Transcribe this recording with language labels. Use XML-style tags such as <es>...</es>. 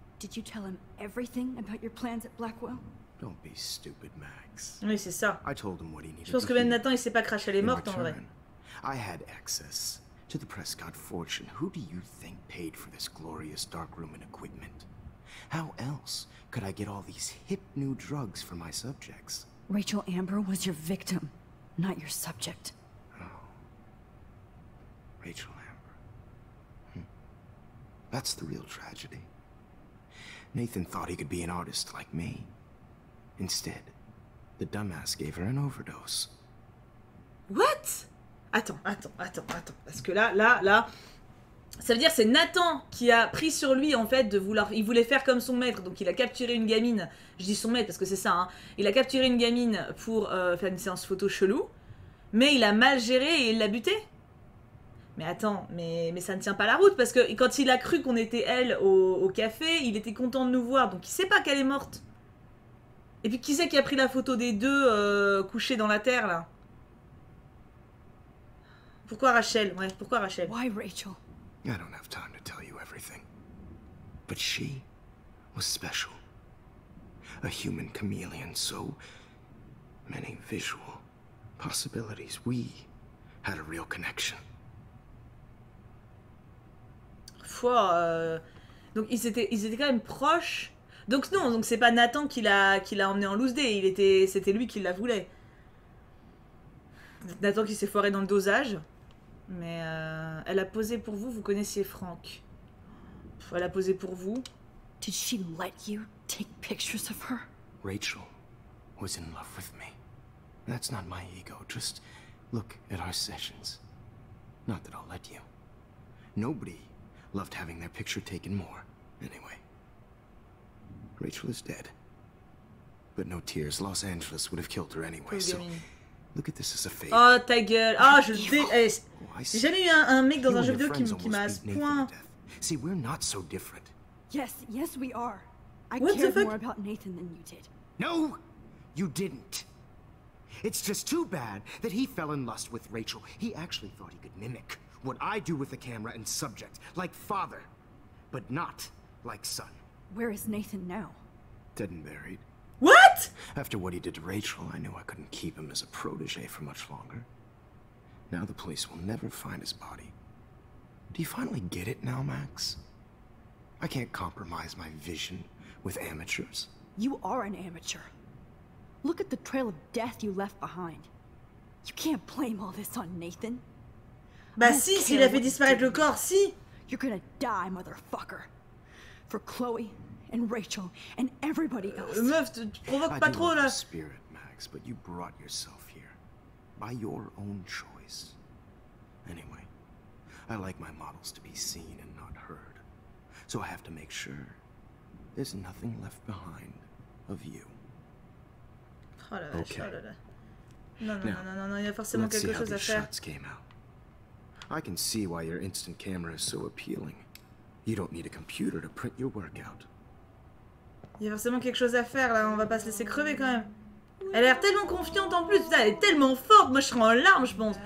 <en>Did you tell him everything about your plans at Blackwell? Don't be stupid, Max.</en> <fr>Oui, c'est ça.</fr> <en>I told him what he needed.</en> <fr>Je pense que même Nathan, il s'est pas craché les morts, en vrai.</fr> <en>I had access to the Prescott fortune. Who do you think paid for this glorious darkroom and equipment? How else could I get all these hip new drugs for my subjects? Rachel Amber was your victim, not your subject. Oh. Rachel Amber. That's the real tragedy. Nathan thought he could be an artist like me. Instead, the dumbass gave her an overdose. What?</en> <fr>Attends. Parce que là... Ça veut dire que c'est Nathan qui a pris sur lui, en fait, de vouloir... Il voulait faire comme son maître, donc il a capturé une gamine. Je dis son maître parce que c'est ça, hein. Il a capturé une gamine pour faire une séance photo chelou. Mais il a mal géré et il l'a buté. Mais attends, mais ça ne tient pas la route. Parce que quand il a cru qu'on était, elle, au café, il était content de nous voir. Donc il sait pas qu'elle est morte. Et puis qui c'est qui a pris la photo des deux couchés dans la terre, là? Pourquoi Rachel? Ouais, pourquoi Rachel?</fr> <en>Why Rachel? I don't have time to tell you everything. But she was special. A human chameleon, so many visual possibilities. We had a real connection.</en> <fr>Donc ils étaient quand même proches. Donc non, donc c'est pas Nathan qui l'a emmené en loose day, c'était lui qui la voulait. Nathan qui s'est foiré dans le dosage. Mais elle a posé pour vous, vous connaissiez Frank. Elle a posé pour vous.</fr> <en>Did she let you take pictures of her? Rachel was in love with me. That's not my ego. Just look at our sessions. Not that I'll let you. Nobody loved having their picture taken more, anyway. Rachel is dead. But no tears. Los Angeles would have killed her anyway, so... Look at this as a favor.</en> <fr>Oh, ta gueule. Oh, je sais. J'ai jamais eu un mec dans un jeu vidéo qui m'a à ce point.</fr> <en>See, we're not so different. Yes, we are. I cared more about Nathan than you did. No, you didn't. It's just too bad that he fell in lust with Rachel. He actually thought he could mimic what I do with the camera and subject, like father, but not like son. Where is Nathan now? Dead and buried. What? After what he did to Rachel, I knew I couldn't keep him as a protege for much longer. Now the police will never find his body. Do you finally get it now, Max? I can't compromise my vision with amateurs. You are an amateur. Look at the trail of death you left behind. You can't blame all this on Nathan.</en> <fr>Bah si, s'il a fait disparaître le corps, si!</fr> <en>You're gonna die, motherfucker. For Chloe and Rachel and everybody else.</en> <fr>Meuf, tu provoques pas trop, là!</fr> <en>I do love the spirit, Max, but you brought yourself here. By your own choice. Anyway, I like my models to be seen and not heard. So I have to make sure there's nothing left behind of you.</en> <fr>Oh la vache, okay. Oh la la. Non, il y a forcément quelque chose à faire.</fr> <en>Let's see how these shots came out. I can see why your instant camera is so appealing. You don't need a computer to print your workout.</en> <fr>Il y a forcément quelque chose à faire là, on va pas se laisser crever quand même. Elle a l'air tellement confiante en plus, putain, elle est tellement forte, moi je serais en larmes, je pense.</fr>